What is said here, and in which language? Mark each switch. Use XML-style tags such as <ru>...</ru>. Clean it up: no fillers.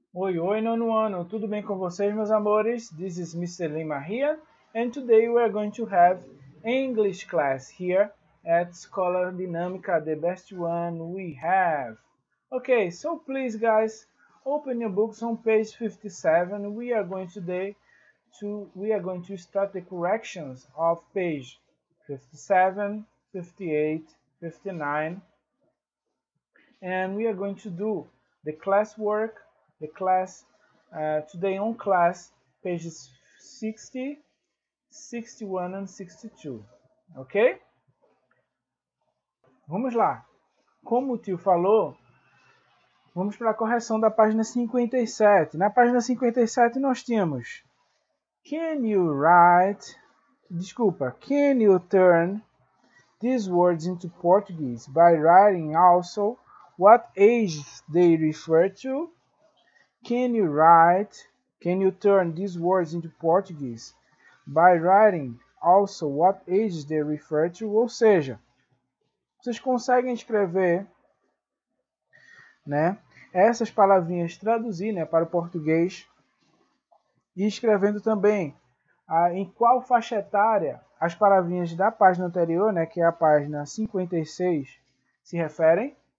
<pt>Oi, oi, nono ano, tudo bem com vocês, meus amores?</pt> <en>This is Mr. Lima here, and today we are going to have English class here at Scholar Dinamica, the best one we have. Okay, so please, guys, open your books on page 57. We are going to start the corrections of page 57, 58, 59, and we are going to do the classwork. The class, today on class, pages 60, 61 and 62, ok?</en> <pt>Vamos lá. Como o tio falou, vamos para a correção da página 57. Na página 57 nós temos</pt> <en>Can you write,</en> <pt>desculpa,</pt> <en>can you turn these words into Portuguese by writing also what age they refer to? Can you write, can you turn these words into Portuguese by writing also what ages they refer to?</en> <pt>Ou seja, vocês conseguem escrever, né, essas palavrinhas, traduzir, né, para o português e escrevendo também em qual faixa etária as palavrinhas da página anterior, né, que é a página 56, se referem?</pt>